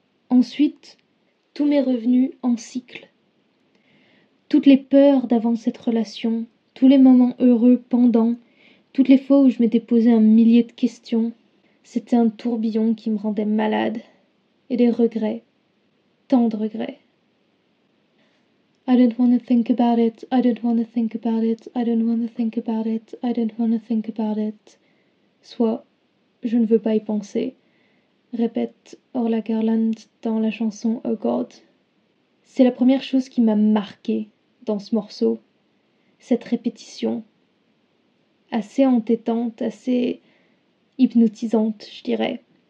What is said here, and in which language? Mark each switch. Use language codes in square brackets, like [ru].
[fr] Ensuite, tout m'est revenu en cycle. Toutes les peurs d'avant cette relation, tous les moments heureux pendant, toutes les fois où je m'étais posé un millier de questions, c'était un tourbillon qui me rendait malade. Et des regrets, tant de regrets. [en] I don't wanna think about it, I don't wanna think about it, I don't wanna think about it, I don't wanna think about it. [fr] Soit, je ne veux pas y penser. Répète Orla Garland dans la chanson A God. C'est la première chose qui m'a marquée dans ce morceau. cette répétition. Assez entêtante, assez hypnotisante, je dirais.